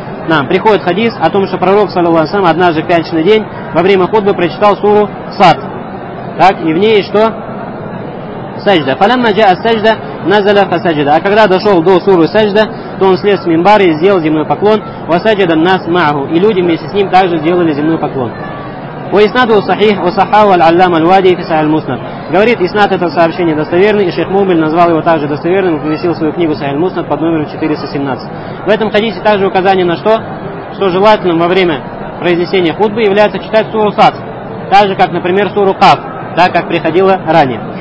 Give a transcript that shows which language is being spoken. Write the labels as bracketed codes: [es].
[ru] Нам приходит хадис о том, что пророк саллаллаху алейхи ва саллям однажды в пятничный день во время хутбы прочитал суру Сад. Так, и в ней что? Саджда. [ar] Фалямма джаа саджда назаля фа саджда. [ru] А когда дошел до суры Саджда, то он слез с минбара и сделал земной поклон. [ar] Ва саджда нас маху. [ru] И люди вместе с ним также сделали земной поклон. [ar] وإسناده صحيح وصححه العلامة الوادي في صحيح المسند. [ru] Говорит, иснад это сообщение достоверный, и шейх Мубель назвал его также достоверным и поместил свою книгу Сахих аль-Муснад под номером 417. В этом хадисе также указание на что? Что желательным во время произнесения хутбы является читать суру Сад, так же как, например, суру Каф, так как приходило ранее.